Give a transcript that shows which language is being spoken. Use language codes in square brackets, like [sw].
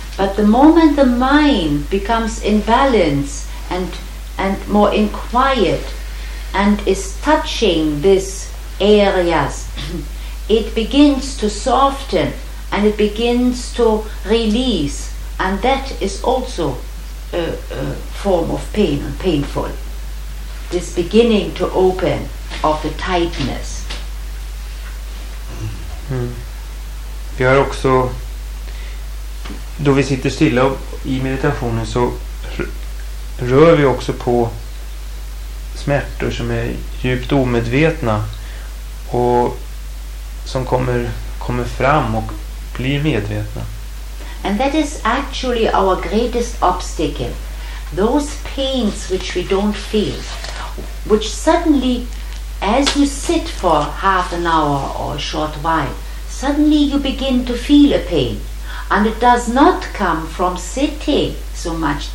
[en] But the moment the mind becomes in balance and more in quiet and is touching these areas, it begins to soften and it begins to release, and that is also a form of pain and painful. This beginning to open of the tightness. Mm. [sv] Vi har också, då vi sitter stilla i meditationen, så rör vi också på smärtor som är djupt omedvetna och som kommer fram och blir medvetna. [en] And that is actually our greatest obstacle. Those pains which we don't feel, which suddenly, as you sit for half an hour or a short while, suddenly you begin to feel a pain. And it does not come from sitting so much.